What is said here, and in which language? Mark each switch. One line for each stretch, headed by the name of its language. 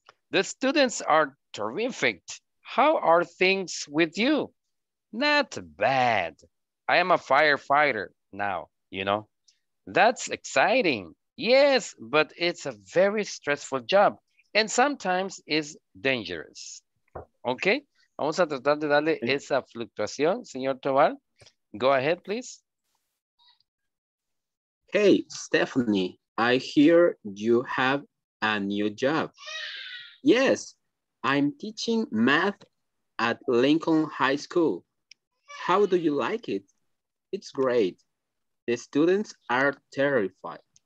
English: The students are terrific. How are things with you? Not bad. I am a firefighter now, you know. That's exciting. Yes, but it's a very stressful job and sometimes is dangerous. Okay?
Spanish: Vamos a tratar de darle esa fluctuación, señor Tovar.
English: Go ahead, please. Hey, Stephanie, I hear you have a new job. Yes, I'm teaching math at Lincoln High School. How do you like it? It's great. The students are terrified.